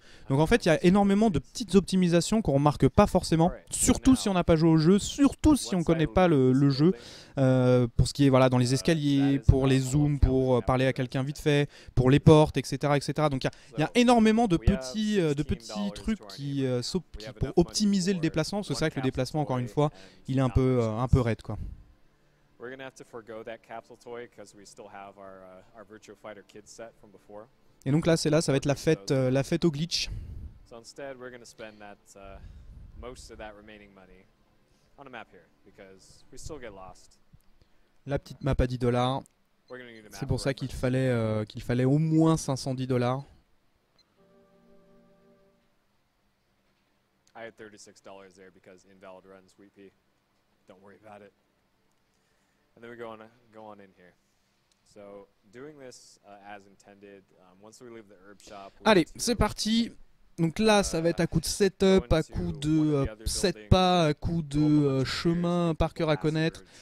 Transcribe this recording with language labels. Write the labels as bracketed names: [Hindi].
[French] Donc en fait, il y a énormément de petites optimisations qu'on remarque pas forcément, surtout si on n'a pas joué au jeu, surtout si on connaît pas le jeu, pour ce qui est voilà, dans les escaliers, pour les zooms, pour parler à quelqu'un vite fait, pour les portes, etc. etc. Donc il y a énormément de petits trucs qui pour optimiser le déplacement, parce que c'est vrai que le déplacement, encore une fois, il est un peu raide, quoi. [English] We're gonna have to forgo that capsule toy because we still have our Virtua Fighter kids set from before. [French] Et donc là, ça va être la fête au glitch. [English] So instead, we're gonna spend most of that remaining money on a map here because we still get lost. [French] La petite map à 10 dollars. C'est pour ça qu'il fallait au moins 510 dollars. [English] I had $36 there because invalid runs, Sweet Pea. Don't worry about it. And then we go on in here. So doing this as intended, once we leave the herb shop. [French] Allez, c'est parti. Donc là, ça va être à coup de setup, à coup de 7 pas, à coup de chemin par cœur à connaître.